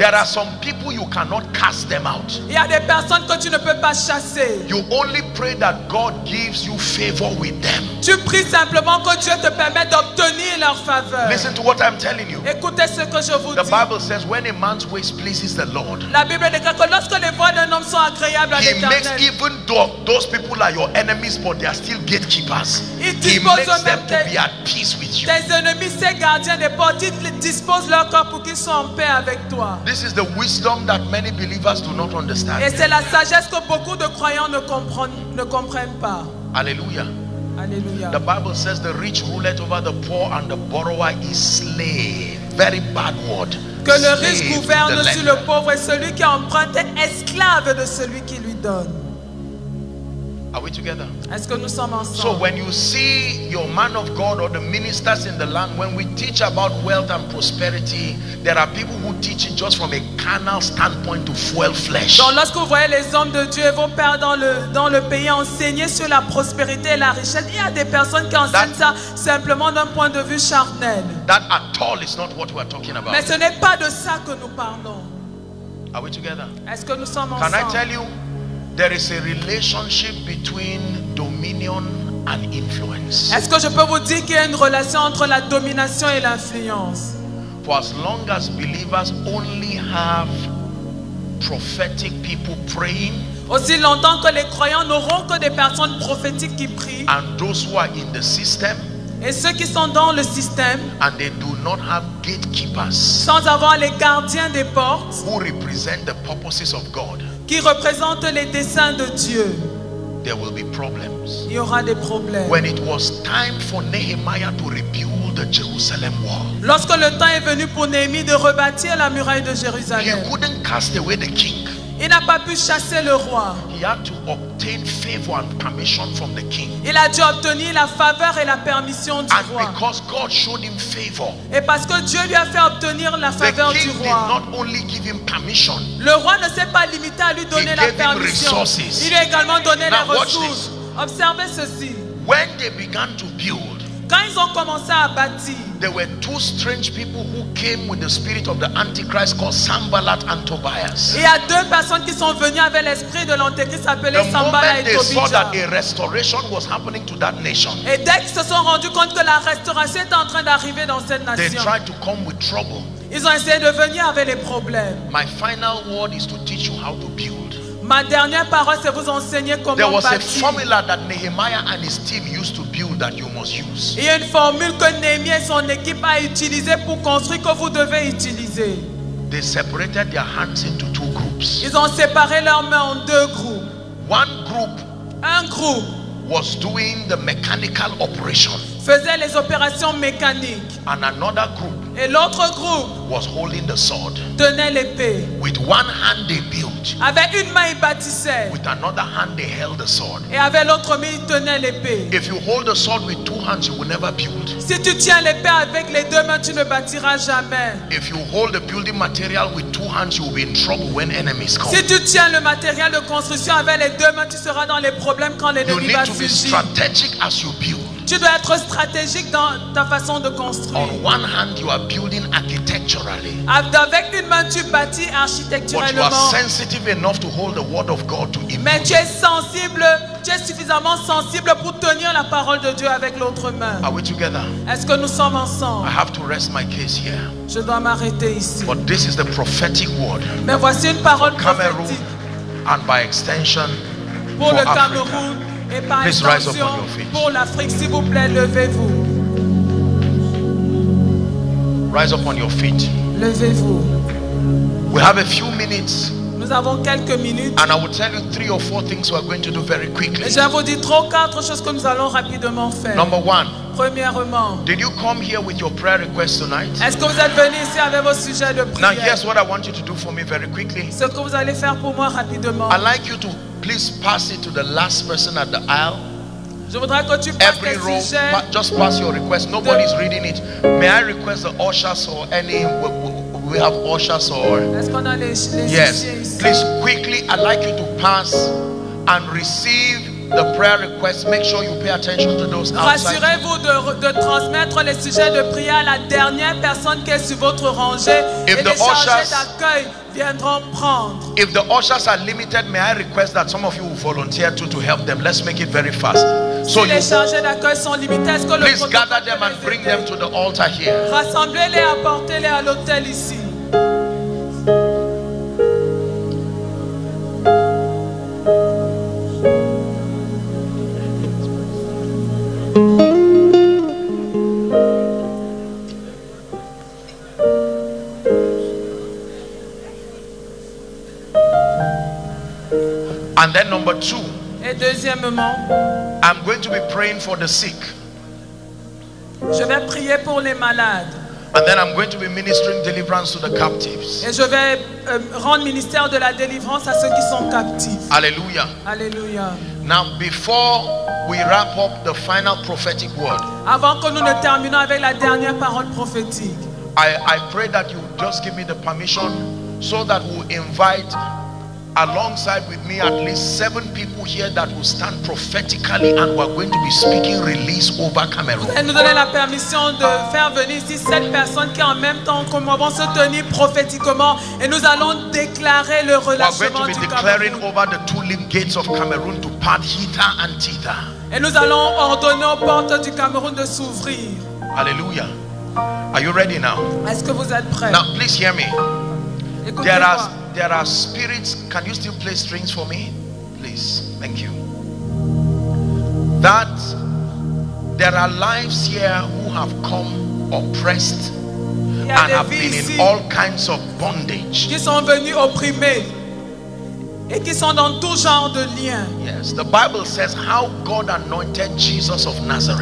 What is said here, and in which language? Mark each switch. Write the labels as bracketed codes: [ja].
[en] There are some people you cannot cast them out. [fr] Il y a des personnes que tu ne peux pas chasser. [en] You only pray that God gives you favor with them. [fr] Tu pries simplement que Dieu te permette d'obtenir leur faveur. [en] Listen to what I'm telling you. [fr] Écoutez ce que je vous [en] the [fr] dis. [en] The Bible says when a man's ways pleases the Lord. [fr] La Bible déclare que lorsque les voies d'un homme sont agréables à l'Éternel. [en] He makes even though those people are your enemies, but they are still gatekeepers. He makes them to be at peace with you. [fr] Tes ennemis, ces gardiens des portes, ils les disposent leur corps pour qu'ils soient en paix avec toi. [en] This is the wisdom that many believers do not understand. [fr] Et c'est la sagesse que beaucoup de croyants ne comprennent pas. Alléluia. Alléluia. [en] The Bible says the rich ruleth over the poor and the borrower is slave. Very bad word. [fr] Que le riche gouverne sur le pauvre et celui qui emprunte est esclave de celui qui lui donne. [en] Are we together? [fr] Est-ce que nous sommes ensemble? [en] So when you see your man of God or the ministers in the land, when we teach about wealth and prosperity, there are people who teach it just from a carnal standpoint to fuel flesh. [fr] Donc lorsque vous voyez les hommes de Dieu et vos pères dans le pays enseigner sur la prospérité et la richesse, il y a des personnes qui enseignent ça simplement d'un point de vue charnel. [en] That at all is not what we are talking about. [fr] Mais ce n'est pas de ça que nous parlons. [en] Are we together? [fr] Est-ce que nous sommes ensemble? [en] Can I tell you? There is a relationship between dominion and influence. [fr] Est-ce que je peux vous dire qu'il y a une relation entre la domination et l'influence? [en] For as long as believers only have prophetic people praying, [fr] aussi longtemps que les croyants n'auront que des personnes prophétiques qui prient, [en] and those who are in the system, [fr] Et ceux qui sont dans le système, [en] and they do not have gatekeepers, [fr] sans avoir les gardiens des portes, [en] who represent the purposes of God, [fr] qui représentent les desseins de Dieu, [en] there will be problems. [fr] Il y aura des problèmes. [en] When it was time for Nehemiah to rebuild the Jerusalem wall, [fr] lorsque le temps est venu pour Néhémie de rebâtir la muraille de Jérusalem, [en] he couldn't cast away the king. [fr] Il n'a pas pu chasser le roi. [en] He had to obtain favor and permission from the king. [fr] Il a dû obtenir la faveur et la permission du [en] and [fr] roi. [en] Because God showed him favor, [fr] et parce que Dieu lui a fait obtenir la faveur [en] the king [fr] du roi, [en] did not only give him permission, [fr] le roi ne s'est pas limité à lui donner la permission. Il lui a également donné la ressource. Observez ceci. [en] When they began to build, [fr] quand ils ont commencé à bâtir, [en] there were two strange people who came with the spirit of the Antichrist called Sambalat and Tobias. [fr] Il y a deux personnes qui sont venues avec l'esprit de l'Antéchrist appelé Sambalat et Tobias. [en] They saw that a restoration was happening to that nation. [fr] Et dès qu'ils se sont rendus compte que la restauration était en train d'arriver dans cette nation, [en] they tried to come with trouble. [fr] Ils ont essayé de venir avec les problèmes. [en] My final word is to teach you how to build. [fr] Ma dernière parole, c'est vous enseigner comment bâtir. [en] There was a formula that Nehemiah and his team used to build that you must use. [fr] Il y a une formule que Nehemiah et son équipe a utilisée pour construire que vous devez utiliser. [en] They separated their hands into two groups. [fr] Ils ont séparé leurs mains en deux groupes. [en] One group, [fr] un groupe, [en] was doing the mechanical operation. [fr] Faisait les opérations mécaniques. [en] And another group, [fr] et l'autre groupe, [en] was holding the sword. [fr] Tenait l'épée. [en] With one hand they built. [fr] Avec une main ils bâtissaient. [en] With another hand they held the sword. [fr] Et avec l'autre main ils tenaient l'épée. [en] If you hold the sword with two hands, you will never build. [fr] Si tu tiens l'épée avec les deux mains, tu ne bâtiras jamais. [en] If you hold the building material with two hands, you will be in trouble when enemies come. [fr] Si tu tiens le matériel de construction avec les deux mains, tu seras dans les problèmes quand l'ennemi va surgir. [en] You need to be strategic as you build. [fr] Tu dois être stratégique dans ta façon de construire. [en] On one hand, you are building architecturally. [fr] Avec une main, tu bâtis architecturellement. [en] But you are sensitive enough to hold the word of God to it. [fr] Mais tu es sensible, tu es suffisamment sensible pour tenir la parole de Dieu avec l'autre main. [en] Are we together? [fr] Est-ce que nous sommes ensemble? [en] I have to rest my case here. [fr] Je dois m'arrêter ici. [en] But this is the prophetic word. [fr] Mais voici une parole [en] for [fr] prophétique. [en] Cameroon, and by extension, [fr] pour [en] for [fr] le Cameroun. [en] Africa. Please rise up on your feet. [fr] Pour l'Afrique, s'il vous plaît, levez-vous. [en] Rise up on your feet. [fr] Levez-vous. [en] We have a few minutes. [fr] Nous avons quelques minutes. [en] And I will tell you three or four things we are going to do very quickly. [fr] Je vais vous dire trois ou quatre choses que nous allons rapidement faire. [en] Number one. [fr] Premièrement. [en] Did you come here with your prayer request tonight? [fr] Est-ce que vous êtes venu ici avec vos sujets de prière? [en] Now here's what I want you to do for me very quickly. [fr] Ce que vous allez faire pour moi rapidement. [en] I'd like you to please pass it to the last person at the aisle. [fr] Je voudrais que tu passes [en] every row, just pass your request. Nobody's de... reading it. May I request the ushers or any? We have ushers or. [fr] Est-ce qu'on a les [en] yes. Please quickly, I'd like you to pass and receive the prayer request. Make sure you pay attention to those outside. [fr] Rassurez-vous de transmettre les sujets de prière à la dernière personne qui est sur votre rangée. [en] If [fr] et [en] the [fr] les [en] ushers, [fr] chargés d'accueil. [en] If the ushers are limited, may I request that some of you will volunteer to help them. Let's make it very fast. [fr] So si les chargés d'accueil sont limités, est-ce que [en] please [fr] le [en] gather them and bring them to the altar here. [fr] Rassemblez-les, apportez-les à l'autel ici. [en] And then number two, [fr] et deuxièmement, [en] I'm going to be praying for the sick. [fr] Je vais prier pour les malades. [en] And then I'm going to be ministering deliverance to the captives. [fr] Et je vais rendre ministère de la délivrance à ceux qui sont captifs. Alléluia. Alléluia. [en] Now before we wrap up the final prophetic word, [fr] avant que nous ne terminions avec la dernière parole prophétique, [en] I pray that you just give me the permission so that we invite alongside with me at least 7 people here that will stand prophetically and we're going to be speaking release over Cameroon. [fr] Et nous donner la permission de faire venir ici 7 personnes qui en même temps comme moi vont se tenir prophétiquement et nous allons déclarer le relâchement du Cameroun. [en] We're going to be declaring over the two limb gates of Cameroon to part hither and thither. [fr] Et nous allons ordonner aux portes du Cameroun de s'ouvrir. [en] Alléluia. Are you ready now? [fr] Est-ce que vous êtes prêts? [en] Now please hear me. [fr] Écoutez-moi. [en] There are spirits. Can you still play strings for me? Please. Thank you. That There are lives here who have come oppressed and have been in all kinds of bondage. [fr] Qui sont venus opprimés et qui sont dans tout genre de liens. [en] Yes, the Bible says how God anointed Jesus of Nazareth.